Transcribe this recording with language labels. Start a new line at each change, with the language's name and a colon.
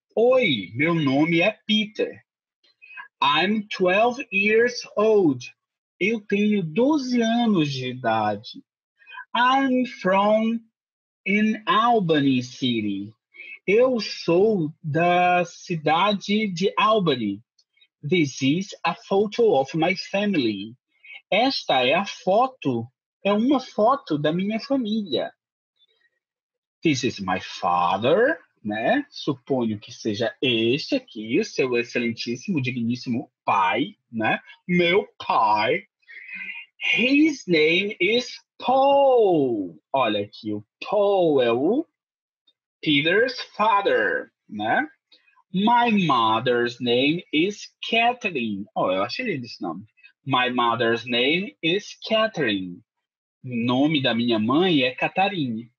Portuguese: Oi, meu nome é Peter.
English: I'm 12 years old.
Portuguese: Eu tenho 12 anos de idade.
English: I'm from in Albany City.
Portuguese: Eu sou da cidade de Albany.
English: This is a photo of my family.
Portuguese: Esta é a foto, é uma foto da minha família.
English: This is my father.
Portuguese: Né? Suponho que seja este aqui, o seu excelentíssimo, digníssimo pai, né? Meu pai.
English: His name is Paul.
Portuguese: Olha aqui, o Paul é o
English: Peter's father,
Portuguese: né?
English: My mother's name is Catherine.
Portuguese: Oh, eu achei lindo esse nome.
English: My mother's name is Catherine.
Portuguese: O nome da minha mãe é Catherine.